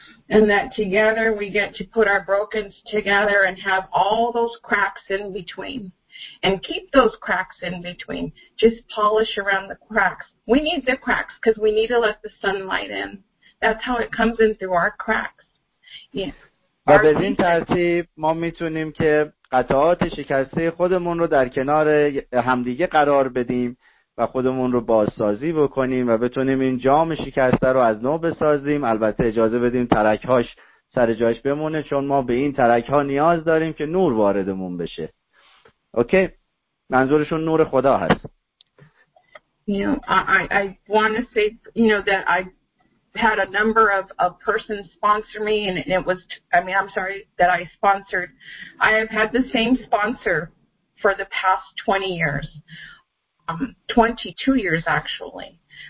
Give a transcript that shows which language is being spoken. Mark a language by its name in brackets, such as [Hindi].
[English] And that together we get to put our brokens together and have all those cracks in between and keep those cracks in between. Just polish around the cracks. We need the cracks because we need to let the sunlight in. That's how it comes in through our cracks. Yeah. [Persian] و به این ترتیب ما میتونیم که قطعات شکسته خودمون رو در کنار همدیگه قرار بدیم و خودمون رو بازسازی بکنیم و بتونیم این جام شکسته رو از نو بسازیم. البته اجازه بدیم ترکهاش سر جایش بمونه چون ما به این ترکها نیاز داریم که نور واردمون بشه. اوکی؟ منظورشون نور خدا هست. [English] You know, I want to say, you know, that I had a number of persons sponsor me, and it was, I mean, I'm sorry, that I sponsored. I have had the same sponsor for the past 20 years, 22 years, actually.